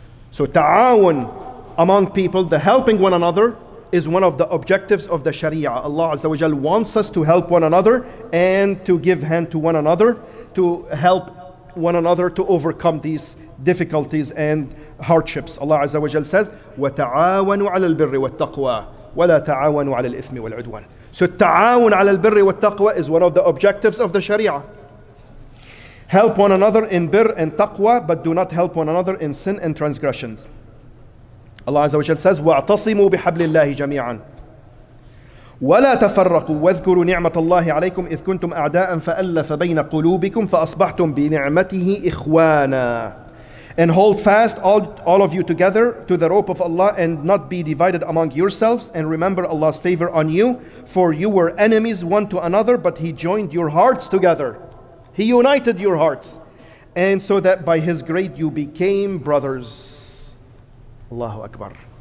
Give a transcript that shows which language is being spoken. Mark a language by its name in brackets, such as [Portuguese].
[English] So ta'awun among people, the helping one another, is one of the objectives of the Sharia. Allah Azza wa Jal wants us to help one another and to give hand to one another, to help one another to overcome these difficulties and hardships. Allah Azza wa Jal says, [Arabic] وَتَعَاوَنُوا عَلَى الْبِرِّ وَالتَّقْوَى وَلَا تَعَاوَنُوا عَلَى الْإِثْمِ وَالْعُدْوَانِ. [English] So ta'awun [Arabic] عَلَى الْبِرِّ وَالتَّقْوَى [English] is one of the objectives of the Sharia. Help one another in birr and taqwa, but do not help one another in sin and transgressions. Allah Azza wa Jal says, [Arabic] وَاعْتَصِمُوا بِحَبْلِ اللَّهِ جَمِيعًا ولا تفرقوا واذكروا نعمة الله عليكم إذ كنتم أعداء فألف بين قلوبكم فأصبحتم بنعمته إخوانا. [English] And hold fast all of you together to the rope of Allah and not be divided among yourselves and remember Allah's favor on you for you were enemies one to another but He joined your hearts together. He united your hearts. And so that by His grace you became brothers. Allahu Akbar.